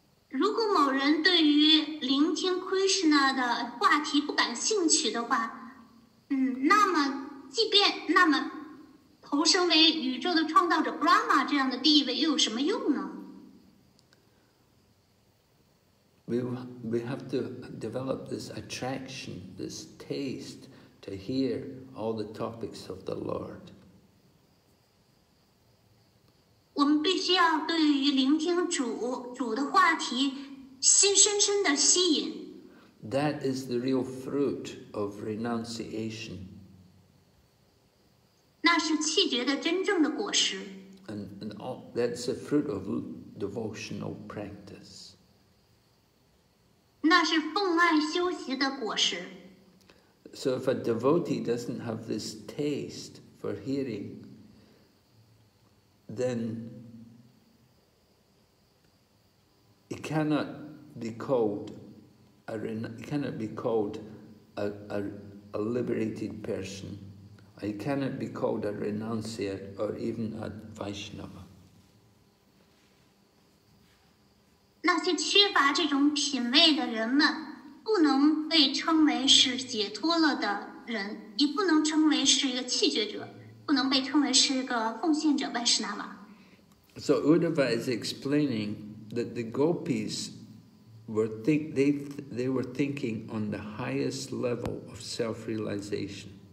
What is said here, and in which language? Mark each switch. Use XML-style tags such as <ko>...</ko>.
<zh>如果某人对于聆听 Krishna 的话题不感兴趣的话，那么投身为宇宙的创造者 Brahma 这样的地位又有什么用呢？</zh> <en>We have to develop this attraction, this taste, to hear all the topics of the Lord. We</en> <zh>必须要对于聆听主的话题，深深的吸引。</zh> <en>That is the real fruit of renunciation.</en> <zh>那是气绝的真正的果实。</zh> <en>And all, that's the fruit of devotional practice.</en> <zh>那是奉爱修习的果实。</zh> <en>So if a devotee doesn't have this taste for hearing, then he cannot be called a liberated person. He cannot be called a renunciate or even a Vaishnava.</en> <zh>那些缺乏这种品味的人们不能被称为是解脱了的人，也不能称为是一个弃绝者，不能被称为是一个奉献者万事那瓦。</zh> <en>So Uddhava is explaining that the gopis were thinking on the highest level of self-realization.</en>